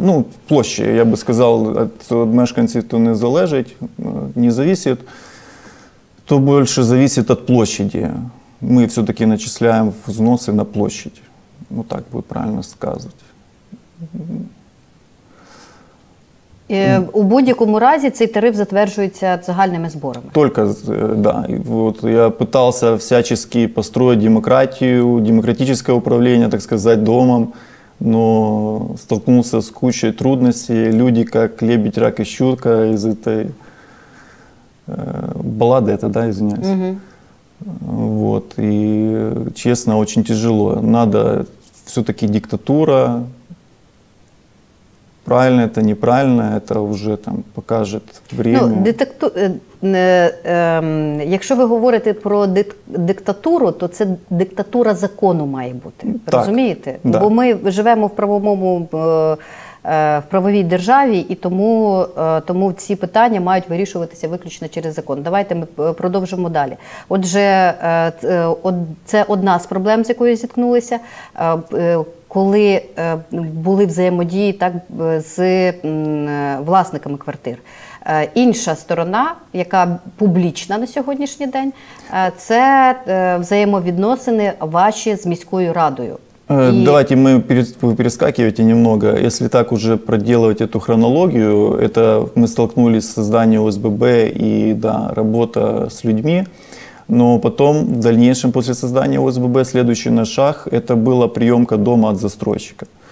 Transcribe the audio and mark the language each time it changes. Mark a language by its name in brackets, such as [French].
[Ukrainian] Ну, площі, я би сказав, від мешканців то не залежить, не зависить, то більше зависить від площі. [Russian] Мы все-таки начисляем взносы на площадь. Ну, так будет правильно сказать. [Ukrainian] У будь-якому разі цей тариф затверджується загальними зборами? [Russian] Только, да. Вот я пытался всячески построить демократию, демократическое управление, так сказать, домом, но столкнулся с кучей трудностей. Люди, как лебедь, рак и щука, из этой баллады это, да, извиняюсь. Угу. Вот, и честно, очень тяжело. Надо, все-таки диктатура, правильно это, неправильно, это уже там покажет время. [Ukrainian] Ну, якщо ви говорите про диктатуру, то це диктатура закону має бути, так, розумієте? [Russian] Да. [Ukrainian] Бо ми живемо в правовому, в правовій державі, і тому ці питання мають вирішуватися виключно через закон. Давайте ми продовжимо далі. Отже, це одна з проблем, з якою зіткнулися, коли були взаємодії так з власниками квартир. Інша сторона, яка публічна на сьогоднішній день, це взаємовідносини ваші з міською радою. [Russian] Давайте мы перескакиваете немного. Если так уже проделывать эту хронологию, это мы столкнулись с созданием ОСББ и, да, работа с людьми. Но потом, в дальнейшем, после создания ОСББ, следующий наш шаг – это была приемка дома от застройщика.